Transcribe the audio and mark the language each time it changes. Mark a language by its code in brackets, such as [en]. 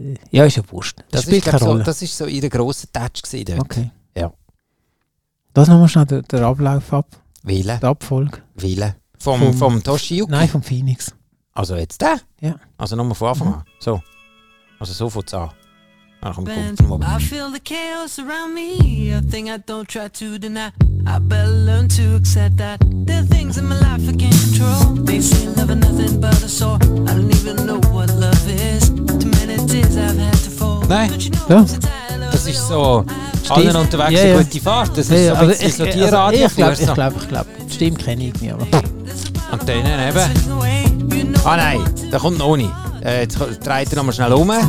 [de] ist ja Wurst. Das spielt keine Rolle. So, das ist so ihre grosse Touch gewesen dort. Okay. Ja. Das nochmal schnell der Ablauf ab. Wille. Die Abfolge. Wille. Vom Toshiyuki? Nein, vom Phoenix. Also jetzt der? Ja. Also nochmal von Anfang an. So. Also so fängt es an. Dann kommt der Moment. [en] I feel the chaos around me. A thing I don't try to deny. I better learn to accept that. There are things in my life I can't control. They say love is nothing but a sore. I don't even know what love is. Too many tears I've had to fall. [de] Nein. Ja. Das ist so... Alle unterwegs eine gute Fahrt. Das ist so ein bisschen die Radio. Ich glaube, die Stimme kenne ich nicht. Und dann eben. Ah nein, da kommt noch nicht. Jetzt dreht er nochmal schnell um.